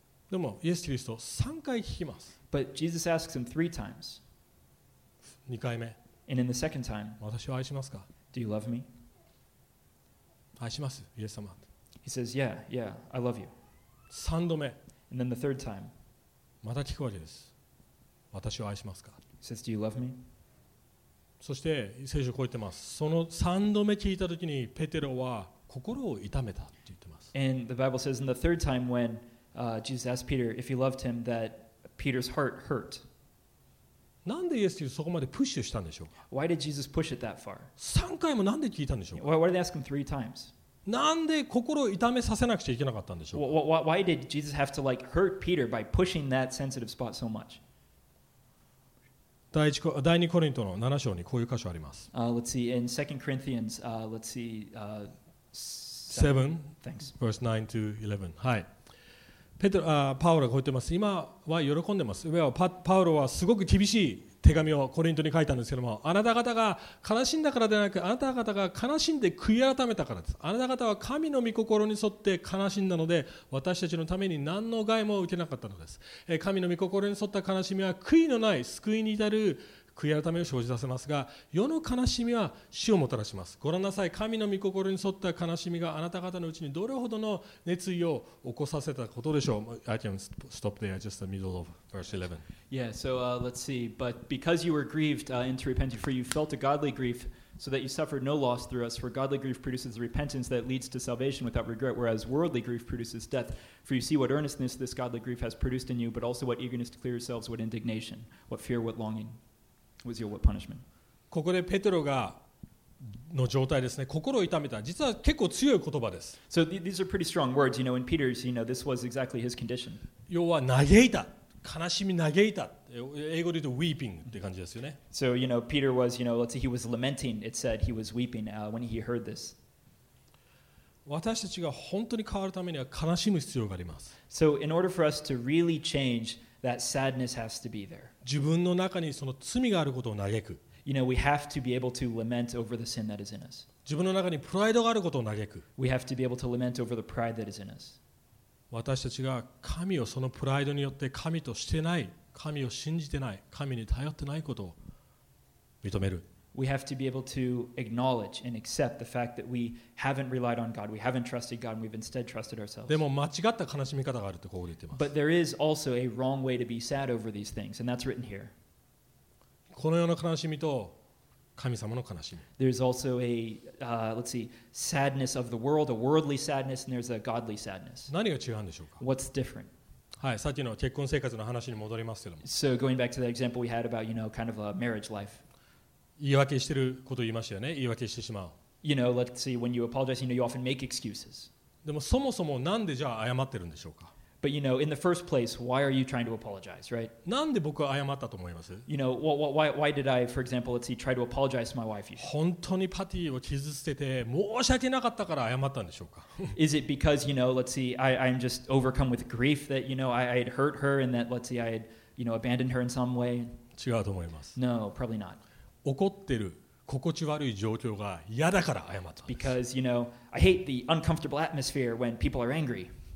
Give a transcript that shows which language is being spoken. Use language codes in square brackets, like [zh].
[ja] でもイエス・キリスト三回聞きます。 [en] But Jesus asks him 3 times. 2 times. And in the second time, [ja] 私を愛しますか? [en] Do you love me? [ja] 愛します、イエス様。 [en] He says, yeah, yeah, I love you. [ja] 三度目。 [en] And then the third time, [ja] また聞くわけです。私を愛しますか? [en] He says, do you love me? [ja] そして聖書こう言ってます。その3度目聞いたときにペテロは心を痛めたって言ってます。 [en] And the Bible says in the third time when Jesus asked Peter if he loved him that Peter's heart hurt. [ja] なんでイエスそこまでプッシュしたんでしょうか。 [en] Why did Jesus push it that far? [ja] 3回もなんで聞いたんでしょうか。 [en] Why did they ask him 3 times? [ja] なんで心を痛めさせなくちゃいけなかったんでしょうか。 [en] Why did Jesus have to like hurt Peter by pushing that sensitive spot so much? [ja] 第2コリントの7章にこういう箇所あります。 [en] Let's see, in 2 Corinthians, let's see, 7, thanks. verse 9 to 11. はい。 [ja] パウロがこう言ってます。今は喜んでます。パウロはすごく厳しい手紙をコリントに書いたんですけども、あなた方が悲しんだからではなく、あなた方が悲しんで悔い改めたからです。あなた方は神の御心に沿って悲しんだので、私たちのために何の害も受けなかったのです。神の御心に沿った悲しみは悔いのない救いに至る悔い改めを生じさせますが、世の悲しみは死をもたらします。ご覧なさい、神の御心に沿った悲しみがあなた方のうちにどれほどの熱意を起こさせたことでしょう。 [en] I can stop there, just the middle of verse 11. Yeah, so let's see. But because you were grieved into repentance, for you felt a godly grief, so that you suffered no loss through us, for godly grief produces repentance that leads to salvation without regret, whereas worldly grief produces death. For you see what earnestness this godly grief has produced in you, but also what eagerness to clear yourselves, what indignation, what fear, what longing. Was your what punishment? [ja] ここでペテロがの状態ですね。心を痛めた。実は結構強い言葉です。 [en] So these are pretty strong words, you know. In Peter's, you know, this was exactly his condition. [ja] 要は嘆いた。悲しみ嘆いた。英語で言うと weeping って感じですよね。 [en] So you know, Peter was, you know, let's say he was lamenting. It said he was weeping when he heard this. [ja] 私たちが本当に変わるためには悲しむ必要があります。 [en] So in order for us to really change. That sadness has to be there. [ja] 自分の中にその罪があることを嘆く。 [en] You know, we have to be able to lament over the sin that is in us. [ja] 自分の中にプライドがあることを嘆く。 [en] We have to be able to lament over the pride that is in us. [ja] 私たちが神をそのプライドによって神としてない、神を信じてない、神に頼ってないことを認める。 [en] We have to be able to acknowledge and accept the fact that we haven't relied on God, we haven't trusted God, and we've instead trusted ourselves. [ja] でも間違った悲しみ方があるってここで言ってます。 [en] But there is also a wrong way to be sad over these things, and that's written here. [ja] この世の悲しみと神様の悲しみ。 [en] There's also a, let's see, sadness of the world, a worldly sadness, and there's a godly sadness. [ja] 何が違うんでしょうか? [en] What's different? [ja] はい、さっきの結婚生活の話に戻りますけども。 [en] So going back to the example we had about, you know, kind of a marriage life. [ja] 言い訳してることを言いましたよね。言い訳してしまう。 [en] You know, let's see, when you apologize, you know, you often make excuses. [ja] でもそもそもなんでじゃあ謝ってるんでしょうか。 [en] But you know, in the first place, why are you trying to apologize, right? [ja] なんで僕は謝ったと思います。 [en] You know, why did I, for example, let's see, try to apologize to my wife? [ja] 本当にパティを傷つけて申し訳なかったから謝ったんでしょうか。 [en] Is it because, you know, let's see, I'm just overcome with grief that, you know, I had hurt her and that, let's see, I had, you know, abandoned her in some way? [ja] 違うと思います。 [en] No, probably not. [ja] 怒ってる心地悪い状況が嫌だから謝ったんです。 [en] Because, you know, I hate the uncomfortable atmosphere when people are angry.